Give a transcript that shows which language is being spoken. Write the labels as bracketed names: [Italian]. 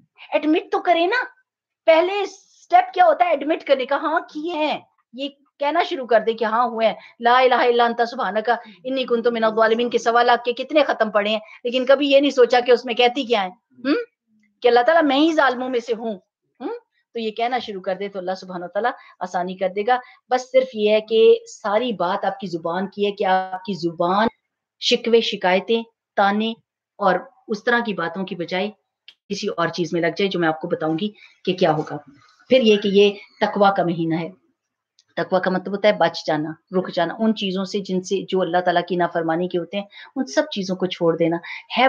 [Urdu] Admit تو کرے نا, پہلے سٹیپ کیا ہوتا ہے ایڈمٹ کرنے کا, ہاں کیے ہیں, یہ کہنا شروع کر دے کہ ہاں ہوئے ہیں, [Arabic] لا الہ الا انت سبحانک انی کنت من الظالمین [Urdu] کے سوال آپ کے کتنے ختم پڑے ہیں, لیکن کبھی یہ نہیں سوچا کہ اس میں کہتی کیا ہے کہ اللہ تعالیٰ میں ہی ظالموں میں سے ہوں. تو یہ کہنا شروع کر دے تو اللہ سبحانہ وتعالیٰ آسانی کر دے گا. بس صرف یہ ہے کہ ساری بات آپ کی زبان کی ہے, کہ آپ کی زبان شکوے شکایتیں تانے اور اس طرح کی باتوں کی بجائے کسی اور چیز میں لگ جائے, جو میں آپ کو بتاؤں گی کہ کیا ہوگا. پھر یہ کہ یہ تقویٰ کا مہینہ ہے. تقویٰ کا مطلب ہوتا ہے بچ جانا, رک جانا ان چیزوں سے جن سے جو اللہ تعالیٰ کی نافرمانی کے ہوتے ہیں, ان سب چیزوں کو چھوڑ دینا ہے.